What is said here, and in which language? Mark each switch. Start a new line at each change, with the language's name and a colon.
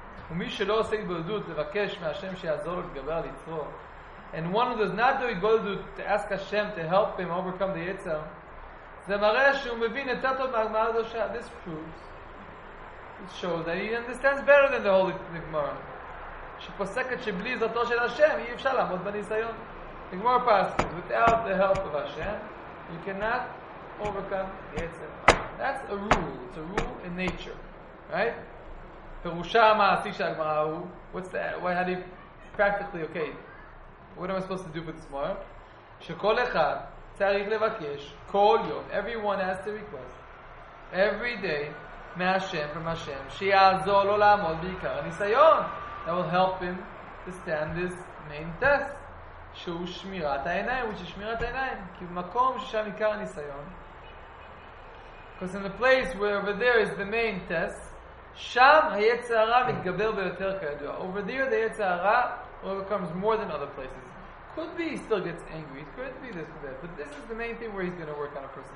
Hebrew: ומי שלא עושה התבודדות לבקש מהשם שיעזור להתגבר על יצרו,
English: and one who does not do התבודדות to ask Hashem to help him overcome the יצר,
Hebrew: זה מראה שהוא מבין יותר טוב מהגמרא הקדושה.
English: This proves, it shows that he understands better than the holy Gemara,
Hebrew: שפוסקת שבלי עזרתו של השם אי אפשר לעמוד בניסיון. נגמור פסוק,
English: without the help of Hashem you cannot overcome the יצר. That's a rule, it's a rule in nature, right?
Hebrew: פירושה המעשי של הגמרא הוא,
English: what's that? Why had he practically, okay, what am I supposed to do with this more?
Hebrew: שכל אחד צריך לבקש כל יום,
English: everyone has to request every day
Hebrew: מהשם ומהשם שיעזור לו לעמוד בעיקר הניסיון.
English: That will help him to stand this main test.
Hebrew: שהוא שמירת העיניים,
English: which is
Hebrew: שמירת העיניים. כי במקום ששם עיקר הניסיון,
English: because in the place where over there is the main test,
Hebrew: שם היצר הרע מתגבר ביותר כידוע.
English: Over there the היצר הרע overcomes more than other places. Could be he still gets angry. It could be this or that. But this is the main thing where he's going to work on a person.